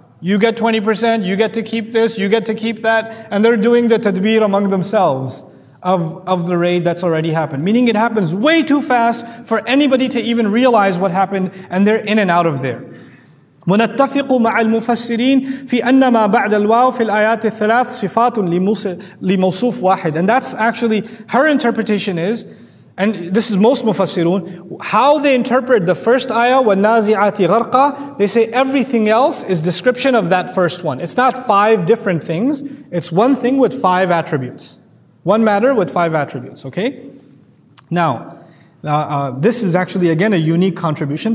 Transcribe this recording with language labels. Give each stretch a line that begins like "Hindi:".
English: You get 20%, you get to keep this, you get to keep that, and they're doing the tadbir among themselves of the raid that's already happened. Meaning it happens way too fast for anybody to even realize what happened, and they're in and out of there.
Arabic: ونتفق مع المفسرين في أن ما بعد الواو في الآيات الثلاث صفات لموصوف واحد.
English: And that's actually her interpretation is, and this is most مفسرون, how they interpret the first ayah,
Arabic: والنازعات غرقا,
English: they say everything else is description of that first one. It's not five different things, it's one thing with five attributes. One matter with five attributes, okay? Now, this is actually again a unique contribution.